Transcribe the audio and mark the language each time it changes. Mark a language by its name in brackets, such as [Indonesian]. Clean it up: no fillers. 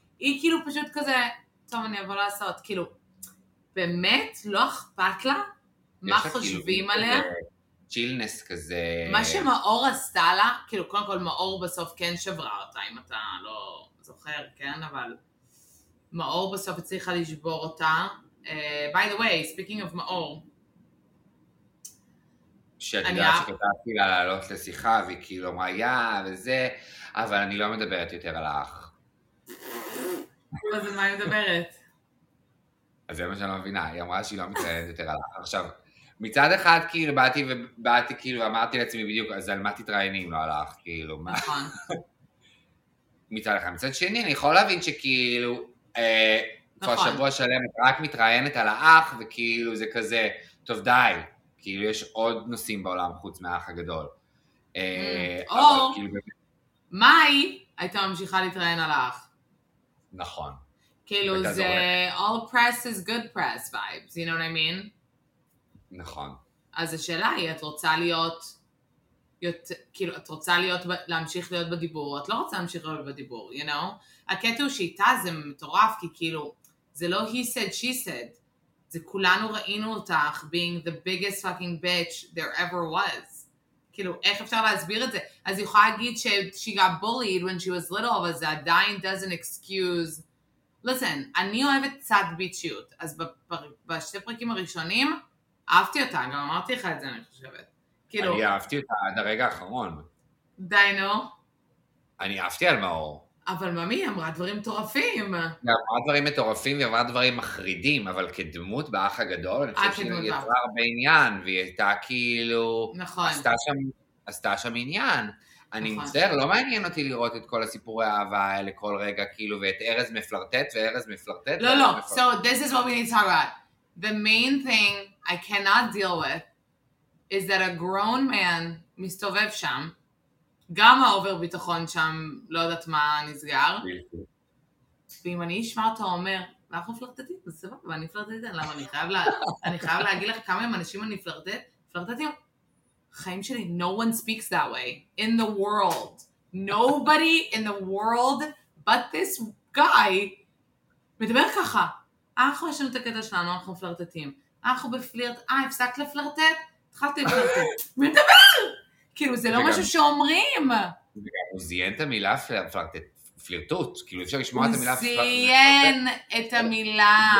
[Hebrew] היא כאילו פשוט כזה, טוב, אני אבוא לעשות. כאילו, באמת לא אכפת לה מה חושבים עליה. צ'ילנס כזה. מה שמאור עשתה לה, כאילו, קודם כל מאור בסוף כן שברה אותה, אם אתה לא זוכר, כן, אבל מאור בסוף הצליחה לשבור אותה. [English] By the way, speaking of מאור. [Hebrew] שאני יודעת שכתבתי לה לעלות לשיחה, והיא כאילו אמרה, יא, וזה... אבל אני לא מדברת יותר על האח. אז מה היא מדברת? אז זה מה שאני לא מבינה, היא אמרה שהיא לא מציינת יותר על האח. עכשיו, מצד אחד כאילו באתי ובאתי כאילו ואמרתי לעצמי בדיוק, אז על מה תתראיינים, לא על האח, כאילו, מה? נכון. מצד אחד, מצד שני, אני יכול להבין שכאילו, כבר שבוע שלם את רק מתראיינת על האח, וכאילו זה כזה, טוב די, כאילו יש עוד נושאים בעולם חוץ מהאח הגדול. או... מאי הייתה ממשיכה להתראיין על האח. נכון. [English] כאילו זה all press is good press vibes, you know what I mean? [Hebrew] נכון. אז השאלה היא, את רוצה להיות, כאילו, את רוצה להיות, להמשיך להיות בדיבור, את לא רוצה להמשיך להיות בדיבור, [English] you know? [Hebrew] הקטע הוא שאיתה זה מטורף, כי כאילו, זה לא [English] he said, she said, [Hebrew] זה כולנו ראינו אותך [English] being the biggest fucking bitch there ever was. [Hebrew] כאילו, איך אפשר להסביר את זה? אז היא יכולה להגיד ש- [English] she got bullied when she was little, [Hebrew] אבל זה עדיין [English] doesn't excuse. Listen, [Hebrew] אני אוהבת צד ביצ'יות, אז בשתי פרקים הראשונים, אהבתי אותה, גם אמרתי לך את זה, אני חושבת. כאילו, אני אהבתי אותה עד הרגע האחרון. די נו. אני אהבתי על מאור. אבל ממי, היא אמרה דברים מטורפים. היא אמרה דברים מטורפים, היא אמרה דברים מחרידים, אבל כדמות באח הגדול, אני חושב שהיא יצרה הרבה עניין, והיא הייתה כאילו... נכון. עשתה שם עניין. אני מצטער, לא מעניין אותי לראות את כל הסיפורי האהבה האלה כל רגע, כאילו, ואת ארז מפלרטט, וארז מפלרטט. לא, לא, [English] so this is what we need to talk about. The main thing I cannot deal with is that a grown man [Hebrew] מסתובב שם, גם האובר ביטחון שם, לא יודעת מה נסגר. ואם אני אשמע אותו אומר, אנחנו פלרטטים, זה סבבה, ואני פלרטטים, למה אני חייב, אני חייב להגיד לך כמה עם אנשים אני פלרטטים? חיים שלי, [English] no one speaks that way, in the world. Nobody in the world but this guy [Hebrew] מדבר ככה. אנחנו יש לנו את הקטע שלנו, אנחנו פלרטטים. אנחנו בפלירט, הפסקת לפלרטט? התחלתי לפלרטט. מדבר! כאילו, זה לא משהו שאומרים. הוא זיין את המילה פלירטות. כאילו, אפשר לשמוע את המילה פלירטות. הוא זיין את המילה.